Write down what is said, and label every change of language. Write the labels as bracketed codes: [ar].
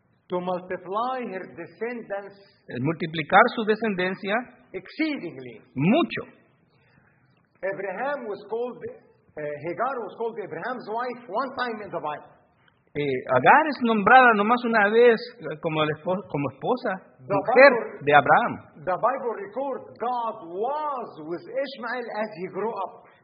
[en] To multiply her descendants. [es] El multiplicar su descendencia. [en] Exceedingly. [es] Mucho. [en] Abraham was called. Hagar was called Abraham's wife one time in the Bible. [es] Agar es nombrada nomás una vez como esposa, mujer de Abraham. [en] The Bible records God was with Ishmael as he grew up.